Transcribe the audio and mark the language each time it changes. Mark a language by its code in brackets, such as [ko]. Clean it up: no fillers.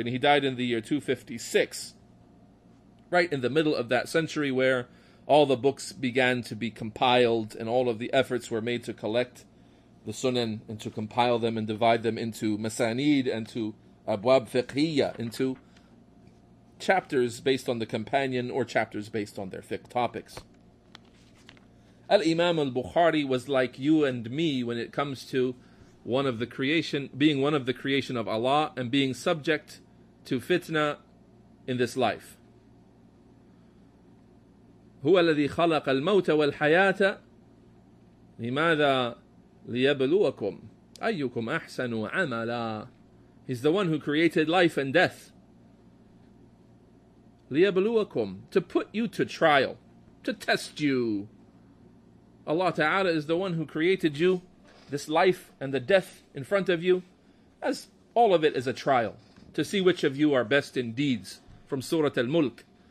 [en] And he died in the year 256, right in the middle of that century where all the books began to be compiled and all of the efforts were made to collect the Sunan and to compile them and divide them into Masanid and to Abwab Fiqhiyya, into chapters based on the companion or chapters based on their fiqh topics. Al-Imam al-Bukhari was like you and me when it comes to being one of the creation of Allah and being subject to fitna in this life. [ar] هو الذي خلق الموت والحياة لماذا ليبلوكم أيكم أحسن عملا. [en] He's the one who created life and death. ليبلوكم, to put you to trial, to test you. Allah Ta'ala is the one who created you, this life and the death in front of you, as all of it is a trial, to see which of you are best in deeds, from Surah Al-Mulk.